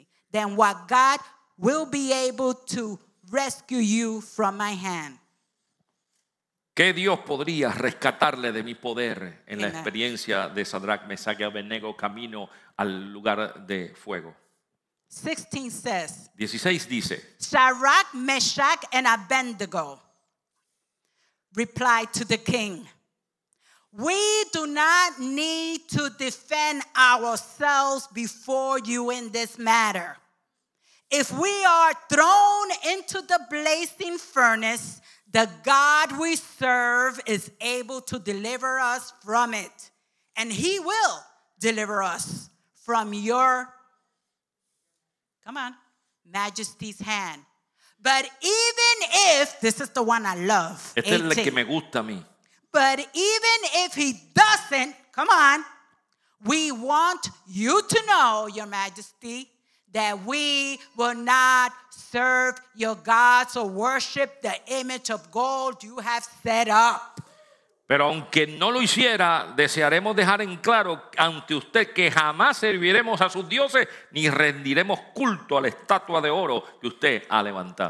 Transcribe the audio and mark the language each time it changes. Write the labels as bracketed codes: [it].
[en] Then what God will be able to rescue you from my hand. [es] ¿Qué Dios podría rescatarle de mi poder en Amen. La experiencia de Shadrach, Meshach y Abednego camino al lugar de fuego? [en] 16 says. [es] 16 dice. [en] Shadrach, Meshach, and Abednego replied to the king, we do not need to defend ourselves before you in this matter. If we are thrown into the blazing furnace, the God we serve is able to deliver us from it, and he will deliver us from your, come on, majesty's hand. But even if, this is the one I love, [es] este 18, es el que me gusta a mí. [en] But even if he doesn't, come on, We want you to know, Your Majesty, that we will not serve your gods or worship the image of gold you have set up. [es] Pero aunque no lo hiciera, desearemos dejar en claro ante usted que jamás serviremos a sus dioses ni rendiremos culto a la estatua de oro que usted ha levantado.